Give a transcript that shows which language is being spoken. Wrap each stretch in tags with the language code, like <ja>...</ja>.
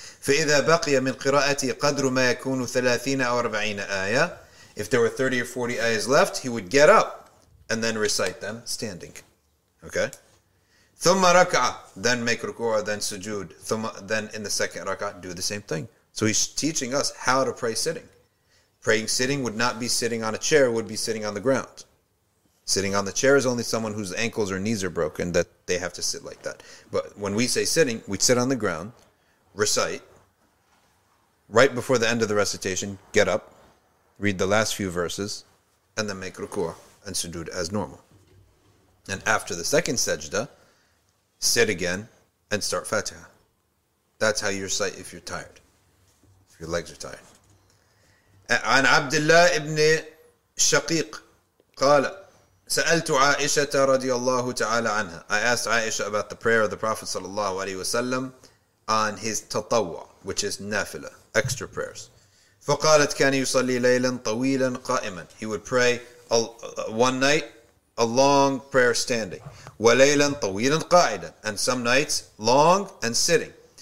<ar>فإذا بقي من قراءتي قدر ما يكون 30 أو 40 آية.</ar> <en>If there were 30 or 40 ayahs left, he would get up and then recite them standing. Okay.</en> <ar>ثم ركعة,</ar> <en>then make ركوع, then سجود, ثم, then in the second ركعة do the same thing. So he's teaching us how to pray sitting. Praying sitting would not be sitting on a chair; would be sitting on the ground. Sitting on the chair is only someone whose ankles or knees are broken that they have to sit like that. But when we say sitting, we'd sit on the ground. Recite, right before the end of the recitation, get up, read the last few verses, and then make ruku' and sujood as normal. And after the second sajda, sit again and start fatiha. That's how you recite if you're tired, if your legs are tired.</en> <ar>An Abdullah ibn Shaqiq, qala, سألت عائشة رضي الله تعالى عنها.</ar> <en>I asked Aisha about the prayer of the Prophet sallallahu alaihi wasallam on his tatawwa, which is nafila, extra prayers.</en> <ar>فَقَالَتْ كَانَ يُصَلِّي لَيْلًا طَوِيلًا قَائِمًا.</ar> <en>He would pray one night, a long prayer standing.</en> <ar>وَلَيْلًا طَوِيلًا قَائِدًا.</ar> <en>And some nights, long and sitting.</en>